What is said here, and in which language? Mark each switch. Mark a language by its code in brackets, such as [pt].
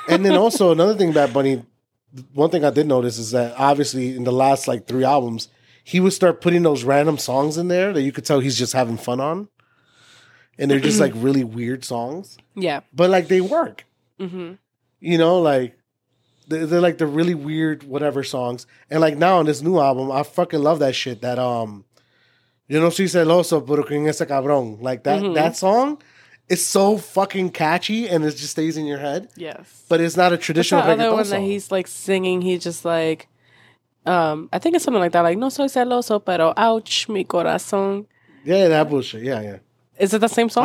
[en] And then also another thing, Bad Bunny. One thing I did notice is that obviously in the last like three albums, he would start putting those random songs in there that you could tell he's just having fun on. And they're just like really weird songs. Yeah. But like they work. Mm-hmm. You know, like they're like the really weird whatever songs. And like now on this new album, I fucking love that shit. That, you know, [es] si celoso, pero quien ese cabrón. [en] Like that, mm-hmm. that song. It's so fucking catchy, and it just stays in your head. Yes. But it's not a traditional reggaeton song. What's that other one that he's, like, singing? He's just like, I think it's something like that. Like, [es] no soy celoso, pero ouch, mi corazón. [en] Yeah, that bullshit. Yeah, yeah. Is it the same song?